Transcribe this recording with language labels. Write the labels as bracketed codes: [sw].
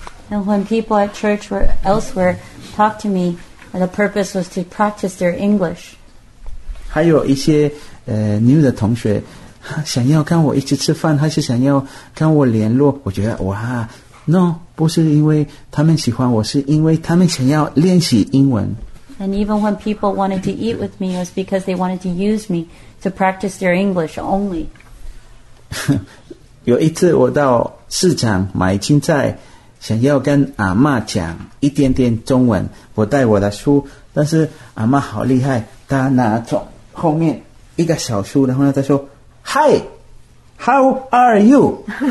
[en] And when people at church or elsewhere talked to me, the purpose was to practice their English. [zh] 还有一些new 的同学想要跟我一起吃饭，还是想要跟我联络，我觉得哇 no， 不是因为他们喜欢我，是因为他们想要练习英文。 [en] And even when people wanted to eat with me, it was because they wanted to use me to practice their English only. [zh] 有一次我到市场买青菜，想要跟阿嬷讲一点点中文，我带我的书，但是阿嬷好厉害，她拿走后面一个小书，然后他说 [en] Hi, how are you?